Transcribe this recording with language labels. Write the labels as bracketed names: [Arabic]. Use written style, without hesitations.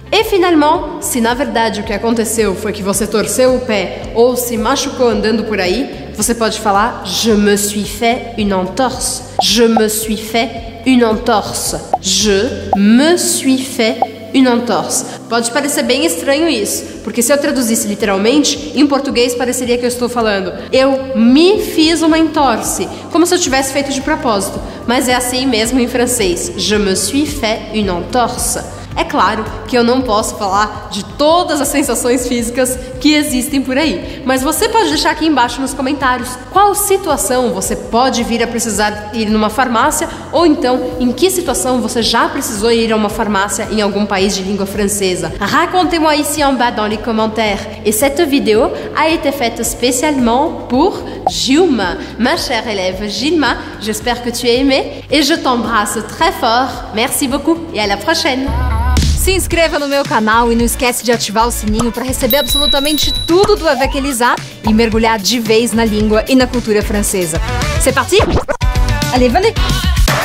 [Portuguese] E finalement, se na verdade o que aconteceu foi que você torceu o pé ou se machucou andando por aí, você pode falar [French] je me suis fait une entorse. Je me suis fait une entorse. Je me suis fait une entorse. [Portuguese] Pode parecer bem estranho isso, porque se eu traduzisse literalmente, em português pareceria que eu estou falando eu me fiz uma entorse, como se eu tivesse feito de propósito. Mas é assim mesmo em francês. [French] Je me suis fait une entorse. [Portuguese] É claro que eu não posso falar de todas as sensações físicas que existem por aí, mas você pode deixar aqui embaixo nos comentários qual situação você pode vir a precisar ir numa farmácia, ou então em que situação você já precisou ir a uma farmácia em algum país de língua francesa. [French] Racontez-moi ici en bas dans les commentaires. E cette vidéo a été faite spécialement pour Gilma, ma chère élève Gilma. J'espère que tu as aimé et je t'embrasse très fort. Merci beaucoup et à la prochaine. [Portuguese] Se inscreva no meu canal e não esquece de ativar o sininho para receber absolutamente tudo do Avec Elisa e mergulhar de vez na língua e na cultura francesa. [French] C'est parti? Allez, venez!